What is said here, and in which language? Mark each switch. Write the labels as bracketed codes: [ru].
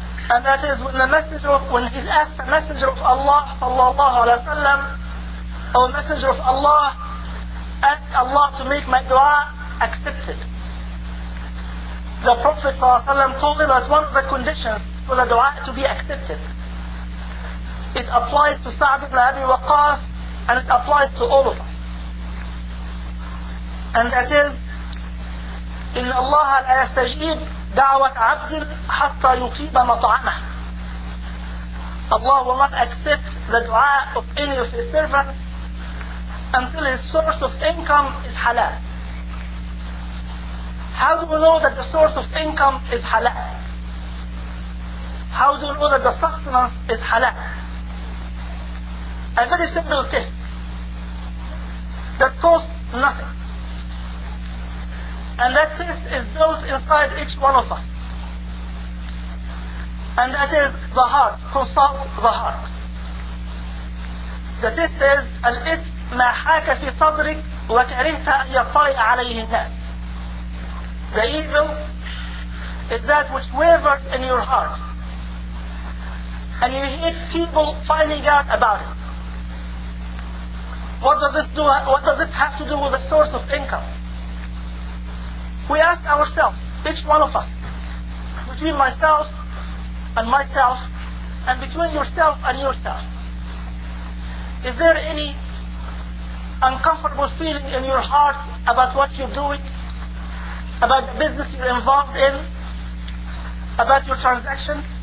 [en] And that is when he asks the Messenger of Allah sallallahu alayhi wa sallam, O Messenger of Allah, ask Allah to make my dua accepted. The Prophet sallallahu alayhi wa sallam told him that one of the conditions for the dua to be accepted. It applies to Sa'd ibn Abi Waqqas and it applies to all of us. And that is, [ar] إِنَّ اللَّهَ لَا يَسْتَجِيبُ دَعْوَةَ عَبْدٍ حَتَّى يُقِيبَ مَطْعَمَهُ. [en] Allah will not accept the dua of any of his servants until his source of income is halal. How do we know that the source of income is halal? How do we know that the sustenance is halal? A very simple test that costs nothing. And that test is built inside each one of us. And that is the heart. Consult the heart. The test says, [ar] الإثم ما حاك في صدرك وكرهت أن يطرئ عليه الناس. [en] The evil is that which wavers in your heart. And you hate people finding out about it. What does this do? What does it have to do with the source of income? We ask ourselves, each one of us, between myself, and between yourself and yourself, is there any uncomfortable feeling in your heart about what you're doing, about the business you're involved in, about your transactions?